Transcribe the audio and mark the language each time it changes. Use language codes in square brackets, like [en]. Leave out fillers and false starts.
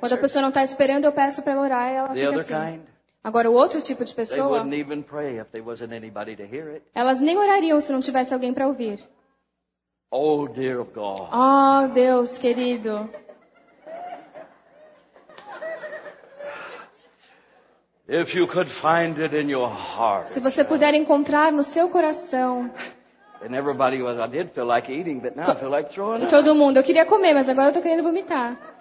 [pt] Quando a pessoa não está esperando, eu peço para ela orar e ela [en] the [pt] fica [en] other [pt] assim. [en] Kind, [pt] agora, o outro tipo de pessoa, [en] they wouldn't even pray if there wasn't anybody to hear it. [pt] Elas nem orariam se não tivesse alguém para ouvir. [en] Oh, dear God. [pt] Oh, Deus querido. [en] If you could find it in your heart, [pt] se você puder encontrar no seu coração. [en] And everybody was, I did feel like eating, but now I feel like throwing up. [pt] Todo mundo, eu queria comer, mas agora eu tô querendo vomitar.